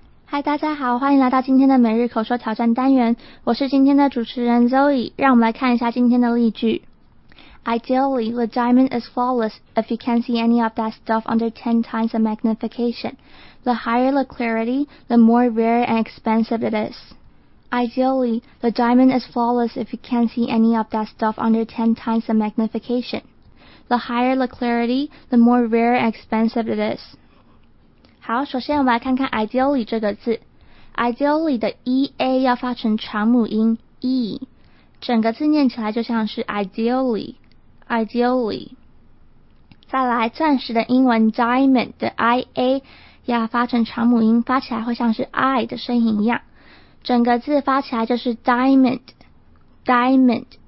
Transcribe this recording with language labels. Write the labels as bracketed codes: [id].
[zh] 嗨，大家好，欢迎来到今天的每日口说挑战单元，我是今天的主持人 Zoe， 让我们来看一下今天的例句。 [en] Ideally, the diamond is flawless if you can't see any of that stuff under 10 times the magnification. The higher the clarity, the more rare and expensive it is. Ideally, the diamond is flawless if you can't see any of that stuff under 10 times the magnification. The higher the clarity, the more rare and expensive it is. [zh] 好，首先我们来看看 ideally 这个字。Ideally 的 EA 要发成长母音 E， 整个字念起来就像是 ideally。 Ideally， 再来钻石的英文 diamond 的 IA 要发成长母音，发起来会像是 I 的声音一样，整个字发起来就是 diamond， diamond。